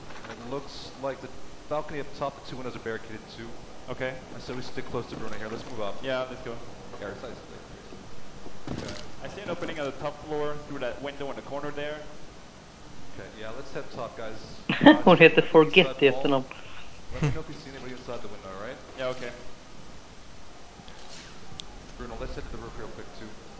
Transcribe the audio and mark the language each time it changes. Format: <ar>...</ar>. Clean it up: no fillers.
<en>It looks like the balcony up top, the two windows are barricaded too. Okay. I said we stick close to Bruno here. Let's move up. Yeah, let's go. Here, size. Okay. I see an opening on the top floor through that window in the corner there. Okay, yeah, let's head top, guys.</en> <sv>Hon heter Forget i efternamn.</sv> <en>Let me know if you see anybody inside the window, alright? Yeah, okay. Bruno, let's head to the roof real quick, too.</en>